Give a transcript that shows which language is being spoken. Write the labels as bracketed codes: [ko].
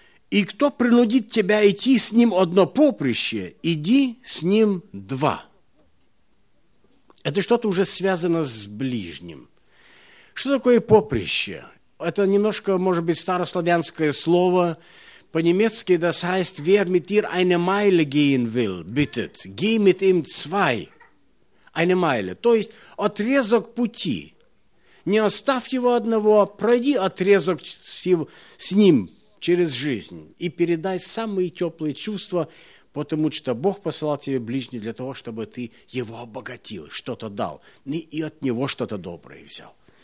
[ru] «И кто принудит тебя идти с ним одно поприще, иди с ним два». Это что-то уже связано с ближним. Что такое поприще? Это немножко, может быть, старославянское слово. По-немецки [de] das heißt, wer mit dir eine Meile gehen will, bittet, geh mit ihm zwei. Eine Meile. [ru] То есть отрезок пути. Не оставь его одного, а пройди отрезок с ним через жизнь, и передай самые теплые чувства, потому что Бог послал тебе ближнего для того, чтобы ты его обогатил, что-то дал, и от него что-то доброе взял.